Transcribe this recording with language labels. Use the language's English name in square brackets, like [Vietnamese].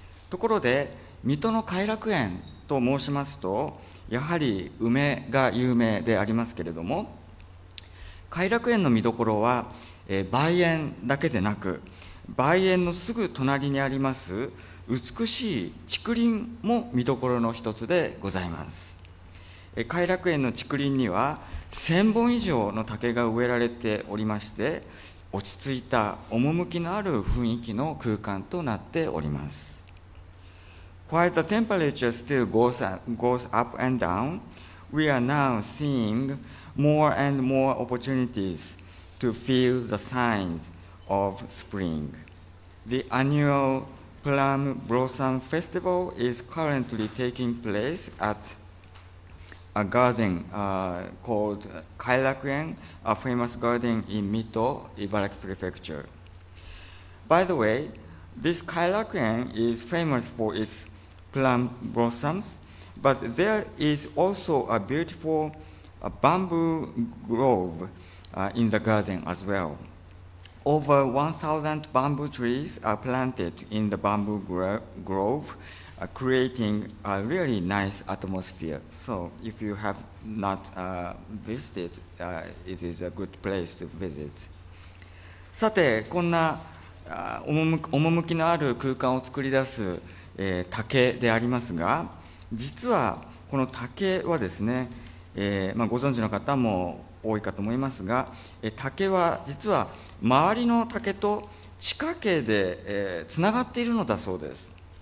[Japanese] ところで水戸の偕楽園と申しますと、やはり梅が有名でありますけれども、偕楽園の見どころは梅園だけでなく、梅園のすぐ隣にあります美しい竹林も見どころの一つでございます。偕楽園の竹林には1000本以上の竹が植えられておりまして、落ち着いた趣のある雰囲気の空間となっております。 [English] While the temperature still goes up and down, we are now seeing more and more opportunities to feel the signs of spring. The annual Plum Blossom Festival is currently taking place atA garden called 偕楽園, a famous garden in Mito, Ibaraki Prefecture. By the way, this 偕楽園 is famous for its plum blossoms, but there is also a beautiful bamboo grove in the garden as well. Over 1,000 bamboo trees are planted in the bamboo grove. Creating a really nice atmosphere. So if you have not visited, it is a good place to visit. [Japanese] さて、こんな趣のある空間を作り出す、竹でありますが、実はこの竹はですね、ご存知の方も多いかと思いますが、竹は実は周りの竹と地下茎で、つながっているのだそうです。